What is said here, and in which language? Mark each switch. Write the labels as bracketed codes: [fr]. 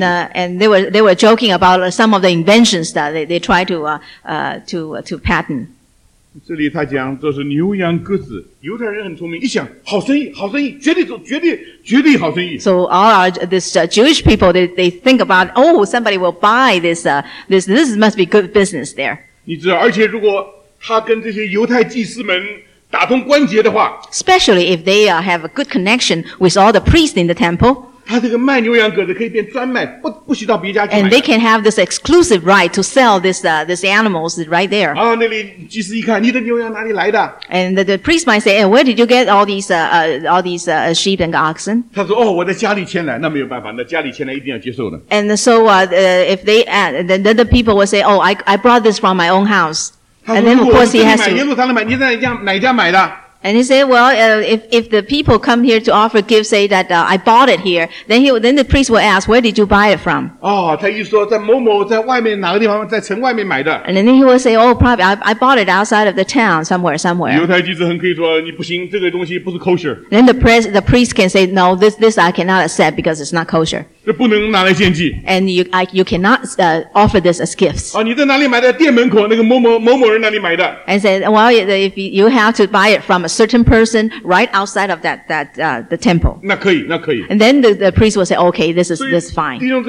[en] And they were joking about some of the inventions that they try to patent. [zh] 这里他讲这是牛羊鸽子。犹太人很聪明，一想好生意，好生意，绝对做，绝对好生意。 [en] So all our this Jewish people they think about, oh, somebody will buy this must be good business there. [zh] 你知道，而且如果他跟这些犹太祭司们打通关节的话 [en] ，especially if they have a good connection with all the priests in the temple, [zh] 他这个卖牛羊鸽子可以变专卖，不许到别家去买。 [en] And they can have this exclusive right to sell this animals right there. [zh] 啊，那里祭司一看，你的牛羊哪里来的 [en] ？And the priest might say, "Where did you get all these sheep and oxen?" [zh] 他说，哦，我在家里牵来，那没有办法，那家里牵来一定要接受的。 [en] And so if they then the people will say, "Oh, I brought this from my own house." And then of course he has to. [zh] 他说，如果你买耶路撒冷买，你在哪家买的？ [en] And he said, well, if the people come here to offer gifts, say that I bought it here, then the priest will ask, where did you buy it from? [zh] Oh, 他一说, 在某某, 在外面, 哪个地方, 在城外面买的, [en] and then he will say, oh, probably I bought it outside of the town somewhere. [zh] 犹太祭司很可以说, 你不行, 这个东西不是 kosher. [en] Then the priest can say, no, this I cannot accept because it's not kosher. [zh] 这不能拿来献祭, [en] and you cannot offer this as gifts. [zh] 哦, 你在哪里买的? 店门口, 那个某某人哪里买的? [en] And said, well, if you have to buy it from a certain person right outside of the temple. [zh] 那可以。 [en] And then the priest will say, okay, this is fine.